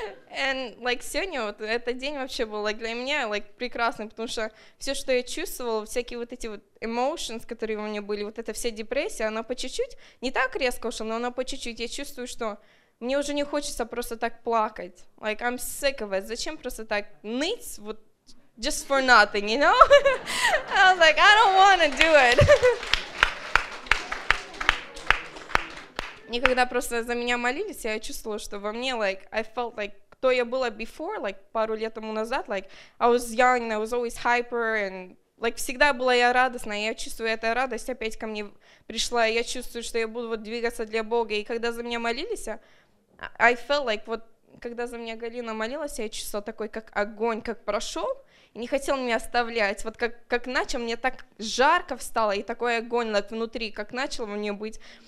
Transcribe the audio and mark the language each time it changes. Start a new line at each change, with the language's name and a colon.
Russian: And, like, сегодня вот этот день вообще был, like, для меня, like, прекрасный, потому что все, что я чувствовала, всякие вот эти вот emotions, которые у меня были, вот эта вся депрессия, она по чуть-чуть, не так резко ушла, но она по чуть-чуть, я чувствую, что мне уже не хочется просто так плакать,
English: like, I'm sick of it,
Russian: зачем просто так ныть, вот,
English: just for nothing, you know? I was like, I don't wanna do it.
Russian: И когда просто за меня молились, я чувствовала, что во мне, like,
English: I felt like,
Russian: кто я была before, like, пару лет тому назад, like,
English: I was young, and I was always hyper,
Russian: and, like, всегда была я радостная, я чувствую, эта радость опять ко мне пришла, я чувствую, что я буду вот двигаться для Бога, и когда за меня молились, I felt like, вот, когда за меня Галина молилась, я чувствовала такой, как огонь, как прошел, и не хотел меня оставлять, вот как начал, мне так жарко встало, и такой огонь, like, внутри, как начал во мне быть.